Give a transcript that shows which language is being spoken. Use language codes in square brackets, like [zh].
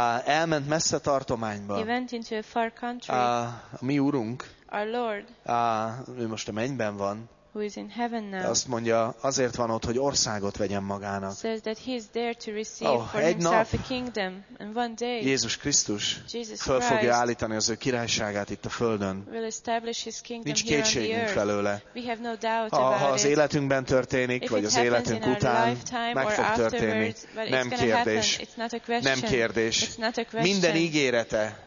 [hu] Elment messze tartományba. [en] He went into a far country. [hu] Mi Urunk. [en] Our Lord. [hu] Ő most a mennyben van. [en] Who is in heaven now. [hu] Azt mondja, azért van ott, hogy országot vegyen magának. [en] Says that he is there to receive for himself a kingdom. And one day, [hu] Jézus Krisztus föl fogja állítani az ő királyságát itt a földön. [en] Will establish his kingdom. [hu] Nincs kétségünk felőle. [en] We have no doubt [hu] ha az életünkben történik, vagy az életünk után, meg fog történni. Nem kérdés. Nem kérdés. Minden ígérete.